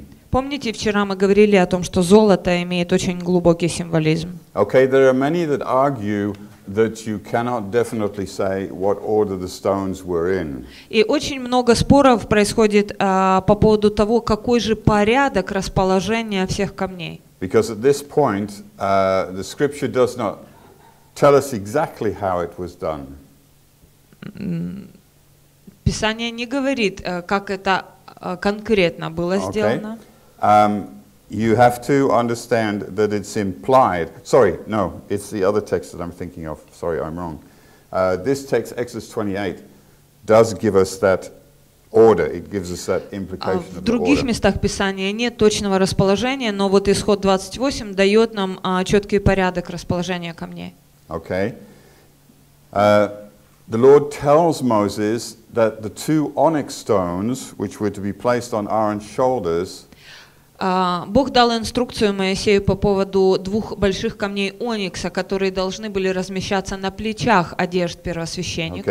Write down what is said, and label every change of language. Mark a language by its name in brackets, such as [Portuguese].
[Russian] Помните, вчера мы говорили о том, что золото имеет очень глубокий символизм. [English] Okay, there are many that argue that you cannot definitely say what order the stones were in. [Russian] И очень много споров происходит по поводу того, какой же порядок расположения всех камней. [English] Because at this point the scripture does not tell us exactly how it was done. [Russian] Писание не говорит, как это конкретно было сделано. [English] You have to understand that it's implied. Sorry, no, it's the other text that I'm thinking of. Sorry, I'm wrong. This text, Exodus 28, does give us that order. It gives us that implication of the order. [Russian] В других местах Писания нет точного расположения, но вот Исход 28 дает нам четкий порядок расположения камней. [English] Okay. The Lord tells Moses that the two onyx stones, which were to be placed on Aaron's shoulders, [Russian] Бог дал инструкцию Моисею по поводу двух больших камней оникса, которые должны были размещаться на плечах одежд первосвященника.